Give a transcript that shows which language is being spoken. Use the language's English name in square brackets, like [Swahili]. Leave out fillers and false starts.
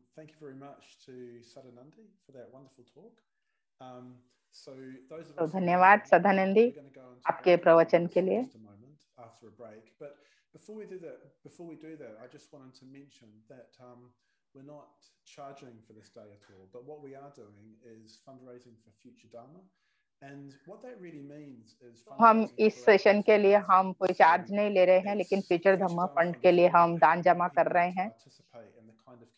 [English] Thank you very much to Sadanandi for that wonderful talk. So [Hindi] धन्यवाद सदानंदी आपके प्रवचन के लिए. [English] After a break, but before we do that, I just wanted to mention that we're not charging for this day at all. But what we are doing is fundraising for Future Dharma, and what that really means is. [Hindi] हम इस session के लिए हम कोई charge नहीं ले रहे हैं, लेकिन Future Dharma फंड के लिए हम दान जमा कर रहे हैं.